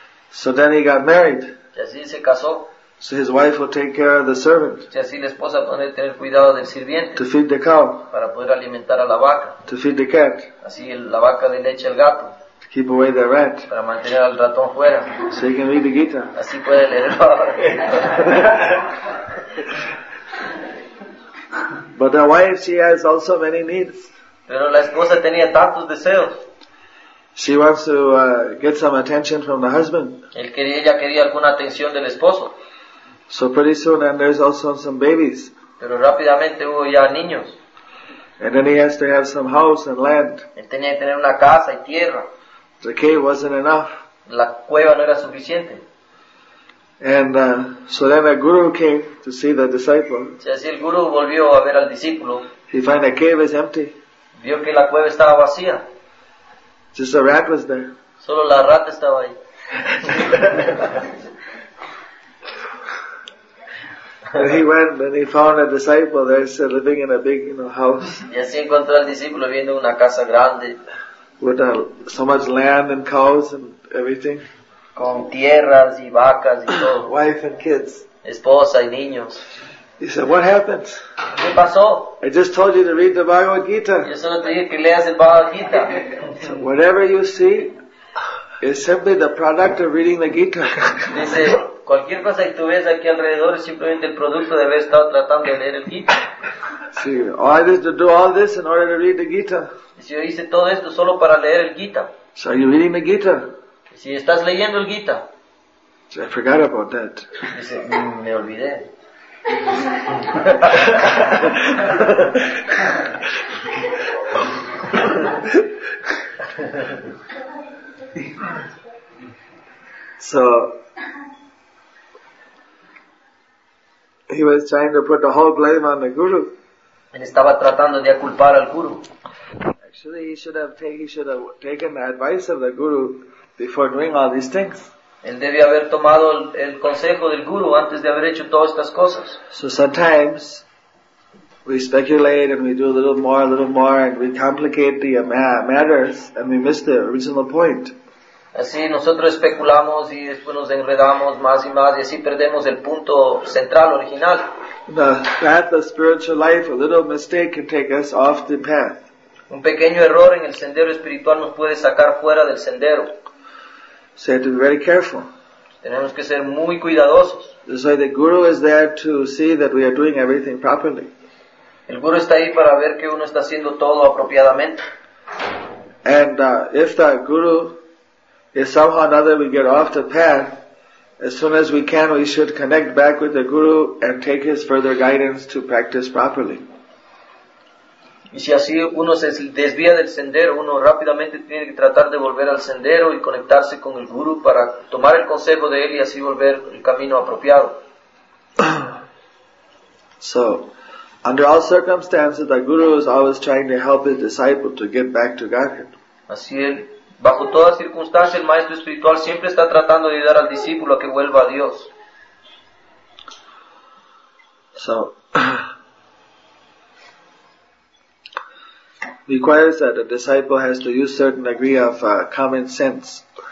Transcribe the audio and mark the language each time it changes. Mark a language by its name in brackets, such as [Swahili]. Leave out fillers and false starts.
[English] So then he got married. [Spanish] Y así se casó. [English] So his wife will take care of the servant. [Spanish] Y así la esposa puede tener cuidado del sirviente. [English] To feed the cow. [Spanish] Para poder alimentar a la vaca. [English] To feed the cat. [Spanish] Así la vaca le echa el gato. [English] keep away the rat. [Spanish] Para mantener al ratón fuera. [English] So you can read the Gita. [Spanish] Así puede leerlo. [English] But the wife, she has also many needs. [Spanish] Pero la esposa tenía tantos deseos. [English] She wants to get some attention from the husband. [Spanish] Ella quería alguna atención del esposo. [English] So pretty soon, and there's also some babies. [Spanish] Pero rápidamente hubo ya niños. [English] And then he has to have some house and land. [Spanish] Él tenía que tener una casa y tierra. [English] The cave wasn't enough. [Spanish] La cueva no era suficiente. [English] And so then the guru came to see the disciple. [Spanish] Sí, así el guru volvió a ver al discípulo. [English] He found the cave is empty. [Spanish] Vio que la cueva estaba vacía. [English] Just a rat was there. [Spanish] Solo la rata estaba ahí. [English] And he went and he found a disciple there, said, living in a big, you know, house. [Spanish] Y así encontró al discípulo viviendo en una casa grande. [English] With so much land and cows and everything. [Spanish] Con tierras y vacas y todo. [English] Wife and kids. [Spanish] Esposa y niños. [English] He said, "What happened? [Spanish] ¿Qué pasó? [English] I just told you to read the Bhagavad Gita." [Spanish] Yo solo te dije que leas el Bhagavad Gita. [English] So whatever you see is simply the product of reading the Gita. [Spanish] Dice, cualquier cosa que tú ves aquí alrededor es simplemente el producto de haber estado tratando de leer el Gita. [English] See, I just do all this in order to read the Gita. [Spanish] Si yo hice todo esto solo para leer el Gita. [English] So are you reading the Gita? [Spanish] Si estás leyendo el Gita. [English] So I forgot about that. [Spanish] Dice, me olvidé. [English] So he was trying to put the whole blame on the guru. [Spanish] Él estaba tratando de culpar al guru. [English] Actually, he should have taken the advice of the guru before doing all these things. [Spanish] Él debía haber tomado el consejo del guru antes de haber hecho todas estas cosas. [English] So sometimes we speculate and we do a little more, and we complicate the matters and we miss the original point. [Spanish] Así nosotros especulamos y después nos enredamos más y más y así perdemos el punto central original. [English] The path of spiritual life, a little mistake can take us off the path. [Spanish] Un pequeño error en el sendero espiritual nos puede sacar fuera del sendero. [English] So you have to be very careful. [Spanish] Tenemos que ser muy cuidadosos. [English] So the guru is there to see that we are doing everything properly. [Spanish] El guru está ahí para ver que uno está haciendo todo apropiadamente. [English] And if the guru, if somehow or another we get off the path, as soon as we can, we should connect back with the guru and take his further guidance to practice properly. [Spanish] Y si así uno se desvía del sendero, uno rápidamente tiene que tratar de volver al sendero y conectarse con el guru para tomar el consejo de él y así volver el camino apropiado. [English] So, under all circumstances, the guru is always trying to help his disciple to get back to Godhead. [Spanish] Así es. Bajo toda circunstancia, el maestro espiritual siempre está tratando de ayudar al discípulo a que vuelva a Dios. [English] So, requires that a disciple has to use certain degree of common sense.